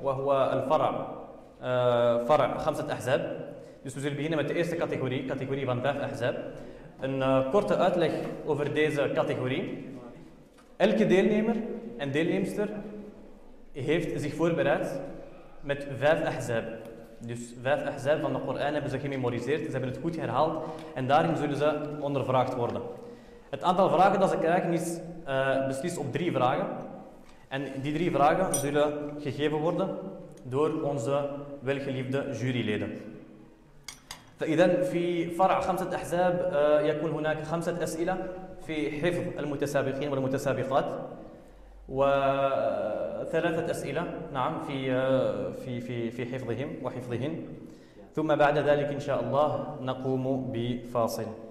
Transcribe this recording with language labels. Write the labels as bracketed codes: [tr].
[ar] Wa huwa al-far' فرع خمسة أحزاب. [nl] Dus we zullen beginnen met de eerste categorie, categorie van vijf ahzab. Een korte uitleg over deze categorie. Elke deelnemer en deelnemster heeft zich voorbereid met vijf ahzab. Dus vijf ahzab van de Koran hebben ze gememoriseerd, ze hebben het goed herhaald en daarin zullen ze ondervraagd worden. Het aantal vragen dat ze krijgen is beslist op drie vragen. En die drie vragen zullen gegeven worden door onze welgeliefde juryleden. [ar] فإذا في فرع خمسة أحزاب يكون هناك خمسة أسئلة في حفظ المتسابقين والمتسابقات وثلاثة أسئلة نعم في حفظهم وحفظهن ثم بعد ذلك إن شاء الله نقوم بفاصل.